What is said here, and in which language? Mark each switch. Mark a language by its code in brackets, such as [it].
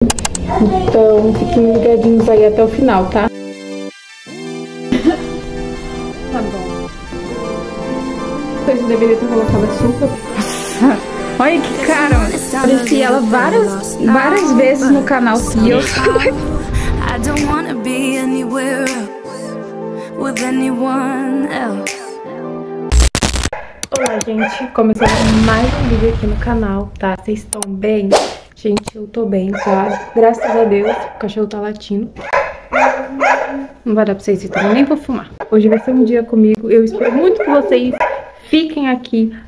[pt] Então, fiquem ligadinhos aí até o final, tá? Tá bom. Vocês deveriam ter colocado açúcar. Olha que cara, eu conheci ela várias vezes no canal. [en] E eu I don't wanna be anywhere else with anyone else. [pt] Olá, gente, começando mais um vídeo aqui no canal, tá? Vocês estão bem? Gente, eu tô bem, claro. Graças a Deus, o cachorro tá latindo. Não vai dar pra vocês irem, nem vou fumar. Hoje vai ser um dia comigo, eu espero muito que vocês fiquem aqui.